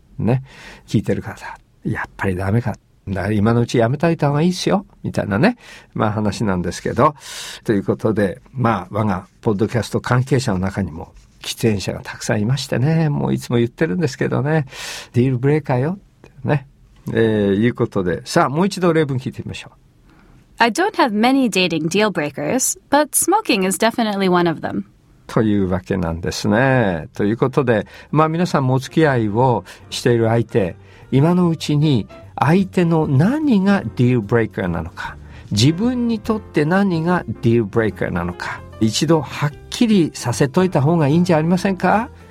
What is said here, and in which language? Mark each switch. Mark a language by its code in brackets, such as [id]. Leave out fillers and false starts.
[ja] ね、聞いてる方やっぱりダメか、だから今のうちやめといた方がいいっすよみたいなね、まあ話なんですけど、ということで、まあ我がポッドキャスト関係者の中にも喫煙者がたくさんいましてね、もういつも言ってるんですけどね、ディールブレーカーよってね、いうことで、さあもう一度例文聞いてみましょう。 [en] I don't have many dating deal breakers but smoking is definitely one of them [ja] というわけなんですね。ということで、まあ皆さんもお付き合いをしている相手、今のうちに相手の何がディールブレーカーなのか、自分にとって何がディールブレーカーなのか、一度はっきりさせといた方がいいんじゃありませんか。